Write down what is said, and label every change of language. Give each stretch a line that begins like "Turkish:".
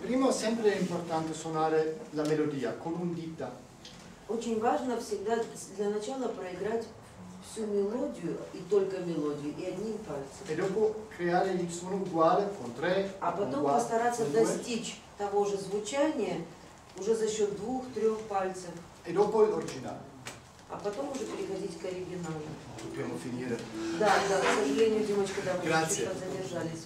Italian: Sempre è importante suonare la melodia con un dita.
Russian: Очень важно всегда для начала проиграть всю мелодию и только мелодию и одним пальцем.
Italian: E dopo creare il suono uguale con tre.
Russian: А потом постараться достичь того же звучания уже за счет двух-трех пальцев.
Italian: E dopo l'originale.
Russian: А потом уже переходить к оригиналу.
Italian: Dobbiamo finire.
Russian: Да, да, к сожалению, Димочка, да, мы чуть-чуть задержались.